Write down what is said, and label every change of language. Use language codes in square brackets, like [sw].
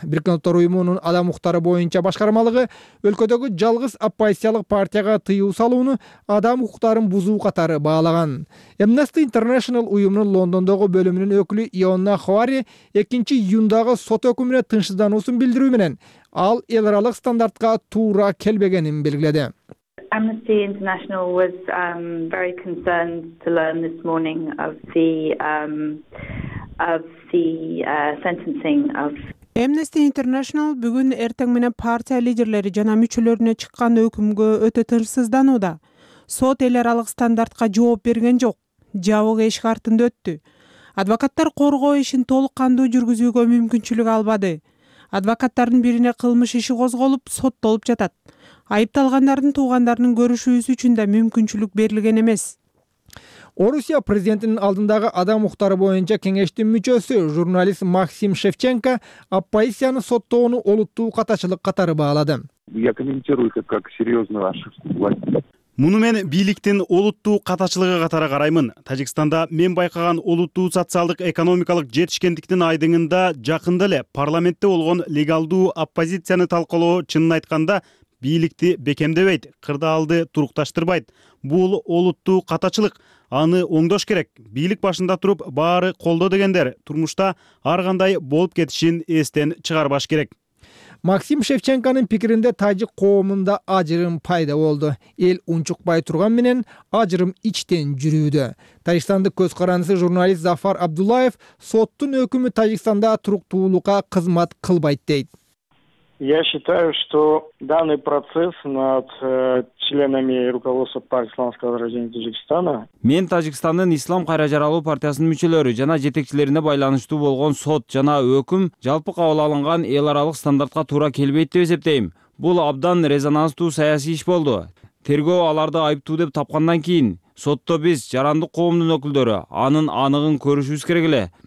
[ky] Бириккен улуттар уюмунун адам укуктары боюнча башкармалыгы өлкөдөгү жалгыз оппозициялык партияга тыюу салууну адам укуктарын бузуу катары баалаган. Amnesty International уюмунун Лондондогу бөлүмүнүн өкүлү Иона Хавари 2-июндагы сот өкүмүнө тынчсыздануусун билдирүү менен ал эл аралык стандартка туура келбегенин белгиледи. [en] Amnesty International was very concerned to learn this morning of the sentencing of [ky] Amnesty International бүгүн эртең менен партия лидерлери жана мүчөлөрүнө чыккан өкүмгө өтө тынчсызданууда. Сот эл аралык стандартка жооп берген жок. Жабык эшик артында өттү. Адвокаттар коргоо ишин толук кандуу жүргүзүүгө мүмкүнчүлүк албады. Адвокаттардын бирине кылмыш иши козголуп, соттолуп жатат. Айыпталгандардын туугандарынын көрүшүүсү үчүн да мүмкүнчүлүк берилген эмес. Орусия президентинин алдындагы адам укуктары боюнча кеңештин мүчөсү журналист Максим Шевченко оппозицияны соттоону олуттуу катачылык катары баалады. [ru] Я комментирую это как серьёзную ошибку власти. [ky] Муну мен бийликтин олуттуу катачылыгы катары караймын. Тажикстанда мен байкаган олуттуу социалдык экономикалык жетишкендиктин айдыңында жакында эле парламентте болгон легалдуу оппозицияны талкалоо чынын айтканда бийликти бекемдебейт, кырдаалды турукташтырбайт. Бул олуттуу катачылык, аны оңдош керек. Бийлик башында туруп баары колдо дегендер турмушта ар кандай болуп кетишин эстен чыгарбаш керек. Максим Шевченконун пикиринде тажик коомунда ажырым пайда болду. Эл унчукпай турган менен ажырым ичтен жүрүүдө. Тажикстандык көз карандысы журналист Зафар Абдуллаев соттун өкүмү Тажикстанда туруктуулукка кызмат кылбайт дейт. [ru] Я считаю, что данный процесс над членами руководства партии исламского гражданина Таджикистана. [ky] Мен Таджикистандын ислам каражаралуу партиясынын мүчөлөрү жана жетекчилерине байланыштуу болгон сот жана өкүм жалпы кабыл алынган эл аралык стандартка туура келбейт деп эсептейм. Бул абдан резонанстуу саясий иш болду. Тергөө аларды айыптуу деп тапкандан кийин сотто биз жарандык коомдун өкүлдөрү анын анығын көрүшүбүз керек эле.